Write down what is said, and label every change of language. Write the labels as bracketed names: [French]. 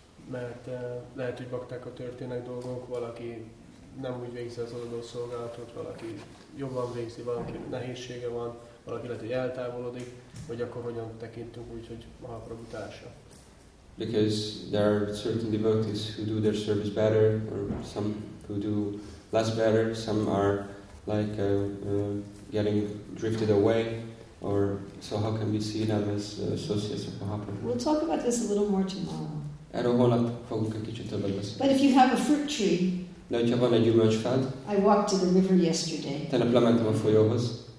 [Hungarian] Mert lehet, hogy baktákkal történnek dolgok, valaki nem úgy végzi az adott szolgálatot, valaki jobban végzi, valaki nehézsége van, valaki lehet, hogy eltávolodik, vagy akkor hogyan tekintünk úgy, hogy Mahaprabhu társa. [English] Because there are certain devotees who do their service better, or some who do less better, some are like getting drifted away, or so how can we see them as associates of Mahaprabhu? We'll talk about this a little more tomorrow. [Hungarian] Erről holnap fogunk egy kicsit többet beszélni. [English] But if you have a fruit tree, [Hungarian] de hogyha van egy gyümölcsfád, [English] I walked to the river yesterday. [Hungarian] Tegnap lementem a folyóhoz.